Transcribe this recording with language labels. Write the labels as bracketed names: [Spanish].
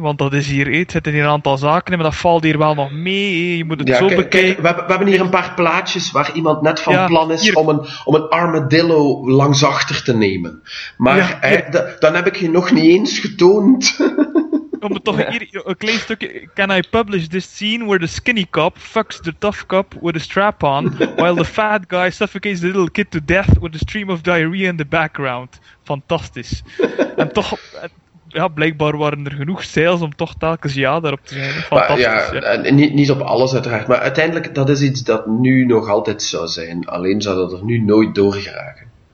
[Dutch] Want dat is hier, het zit in een aantal zaken, maar dat valt hier wel nog mee. Je moet het bekijken. We hebben hier een paar plaatjes waar iemand net van plan is om een armadillo langs achter te nemen. Maar dan heb ik je nog niet eens getoond... Om het toch hier een klein stukje. [English] Can I publish this scene where the skinny cop fucks the tough cop with a strap on, while the fat guy suffocates the little kid to death with a stream of diarrhea in the background? [Dutch] Fantastisch. En toch, blijkbaar waren er genoeg sales om toch telkens ja daarop te zijn. Fantastisch. Maar niet op alles uiteraard, maar uiteindelijk, dat is iets dat nu nog altijd zou zijn. Alleen zou dat er nu nooit door geraken.